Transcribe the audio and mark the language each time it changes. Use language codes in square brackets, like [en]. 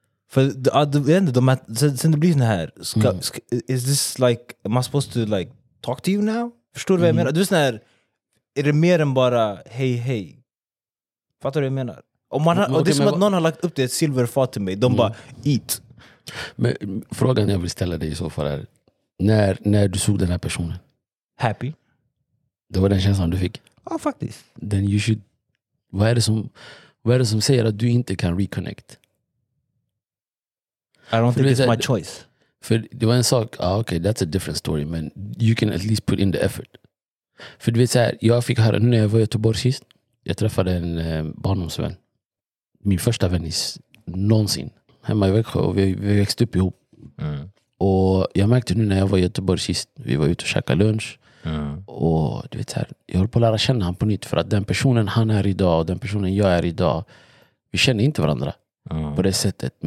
[sv] För sen det blir såhär här, [en] is this like, am I supposed to like, talk to you now? [sv] Förstår du vad jag menar? Du är såhär, är det mer än bara, hej? Fattar du vad jag menar? Och det är som att någon har lagt upp det ett silverfat till mig, de bara, [en] eat. [sv] Men frågan jag vill ställa dig i så fall är, När du såg den här personen? [en] Happy. [sv] Det var den känslan du fick? Ja, faktiskt. [en] Then you should... [sv] Vad är det som säger att du inte kan reconnect? [en] I don't think it's my choice. [sv] För det var en sak... [en] Ah, okay, that's a different story, men you can at least put in the effort. [sv] För du vet så här, jag fick höra nu när jag var i Göteborg sist. Jag träffade en barndomsvän. Min första vän är någonsin. Hemma i Växjö och vi växte upp ihop. Mm. Och jag märkte nu när jag var i Göteborg sist, vi var ute och käkade lunch. Mm. Och du vet så här, jag håller på att lära känna han på nytt. För att den personen han är idag och den personen jag är idag, vi känner inte varandra på det sättet.